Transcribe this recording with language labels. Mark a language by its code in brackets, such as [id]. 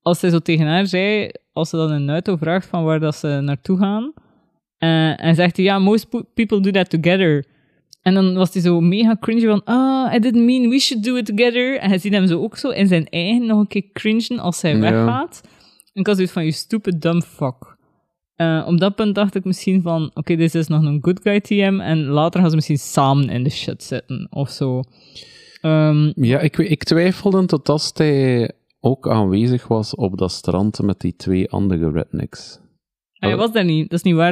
[nl] Als hij zo tegen haar zei, als ze dan een auto vraagt van waar dat ze naartoe gaan. En zegt hij, ja, [en] most people do that together. [nl] En dan was hij zo mega cringy van, [en] I didn't mean we should do it together. [nl] En hij ziet hem zo ook zo in zijn eigen nog een keer cringen als hij weggaat. En ik had zoiets van, [en] you stupid dumb fuck. [nl] Op dat punt dacht ik misschien van, oké, dit is nog een good guy TM. En later gaan ze misschien samen in de shit zitten of zo. Ik twijfelde totdat hij ook aanwezig was op dat strand met die twee andere rednecks. Hij was daar niet, dat is niet waar.